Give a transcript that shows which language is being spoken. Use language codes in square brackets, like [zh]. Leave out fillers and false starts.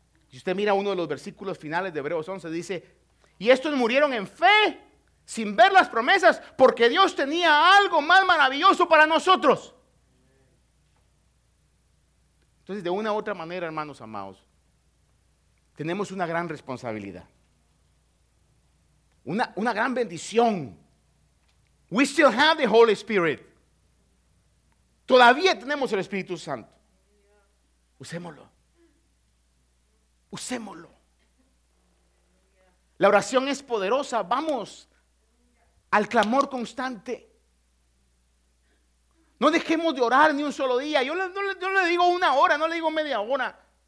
[es] Si usted mira uno de los versículos finales de Hebreos 11, dice... Y estos murieron en fe, sin ver las promesas, porque Dios tenía algo más maravilloso para nosotros. Entonces, de una u otra manera, hermanos amados, tenemos una gran responsabilidad. Una gran bendición. [en] We still have the Holy Spirit. [es] Todavía tenemos el Espíritu Santo. Usémoslo. Usémoslo. La oración es poderosa, vamos al clamor constante. No dejemos de orar ni un solo día. Yo le digo una hora, no le digo media hora.